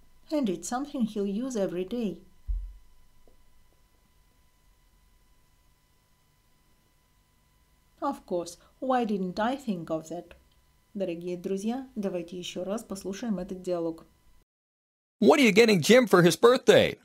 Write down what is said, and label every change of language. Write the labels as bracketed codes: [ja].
[en] And it's something he'll use every day. Of course, why didn't I think of that? [ru] Дорогие друзья, давайте еще раз послушаем этот диалог. [en] What are you getting Jim for his birthday?